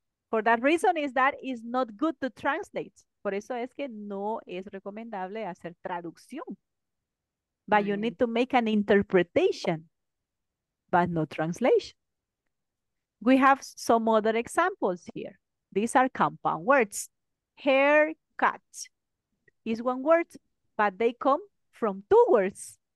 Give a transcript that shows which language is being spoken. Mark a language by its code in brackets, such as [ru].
[en] For that reason is that it's not good to translate. [es] Por eso es que no es recomendable hacer traducción. [en] But you need to make an interpretation, but no translation. We have some other examples here. These are compound words. Haircut is one word, but they come from two words.